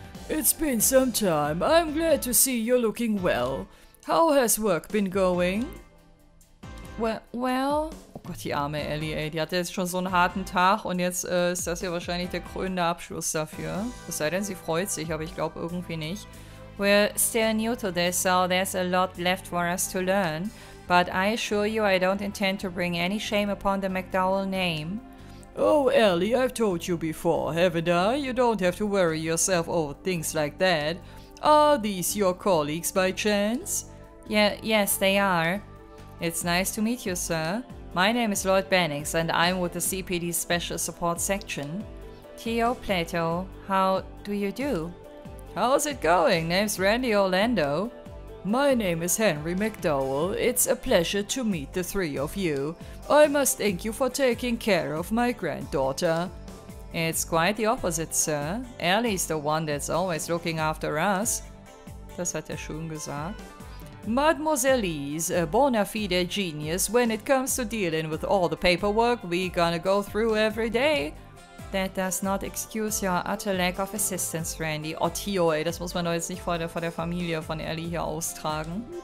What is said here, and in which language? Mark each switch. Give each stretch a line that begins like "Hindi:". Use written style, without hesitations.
English: It's been some time. I'm glad to see you're looking well. How has work been going? Well...
German: Oh Gott, die arme Ellie, ey. Die hatte jetzt schon so einen harten Tag und jetzt ist das ja wahrscheinlich der krönende Abschluss dafür. Es sei denn, sie freut sich, aber ich glaube irgendwie nicht.
English: We're still new to this, so there's a lot left for us to learn. But I assure you, I don't intend to bring any shame upon the McDowell name. Oh, Ellie, I've told you before, haven't I? You don't have to worry yourself over things like that. Are these your colleagues by chance? Yeah, yes, they are. It's nice to meet you, sir. My name is Lloyd Bannings, and I'm with the CPD Special Support Section. T.O. Plato, how do you do? How's it going? Name's Randy Orlando. My name is Henry McDowell. It's a pleasure to meet the three of you. I must thank you for taking care of my granddaughter. It's quite the opposite, sir. Ellie's the one that's always looking after us.
German: Das hat schon gesagt.
English: Mademoiselle is a bona fide genius when it comes to dealing with all the paperwork we gonna go through every day. That does not excuse your utter lack of assistance, Randy.
German: Oh, Tio, ey, das muss man doch jetzt nicht vor der Familie von Ellie hier austragen.